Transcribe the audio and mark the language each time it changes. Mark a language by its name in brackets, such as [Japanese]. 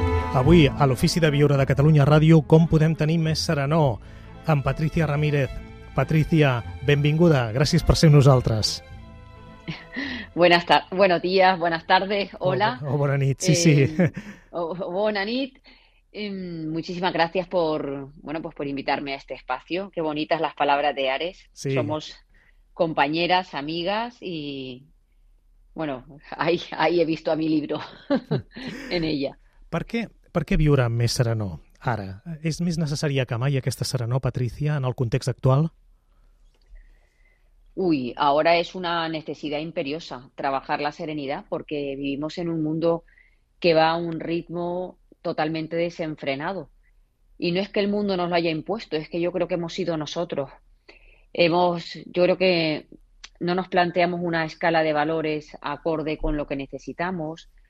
[Catalan] Avui, a l'Ofici de Viure de Catalunya Ràdio, com podem tenir més serenor? Amb Patrícia Ramírez. Patrícia, benvinguda. Gràcies per ser amb nosaltres. [Spanish] Buenos días, buenas tardes, hola. [Catalan] O bona nit, sí, sí. Bona nit. [Spanish] Muchísimas gracias por invitarme a este espacio. Qué bonitas las palabras de Ares. Sí. Somos compañeras, amigas y... Bueno, ahí he visto a mi libro en ella. [Catalan] Per què viure amb més serenor ara? És més necessària que mai aquesta serenor, Patrícia, en el context actual? [Spanish] Uy, ahora es una necesidad imperiosa trabajar la serenidad porque vivimos en un mundo que va a un ritmo totalmente desenfrenado. Y no es que el mundo nos lo haya impuesto, es que yo creo que hemos sido nosotros. Yo creo que no nos planteamos una escala de valores acorde con lo que necesitamos.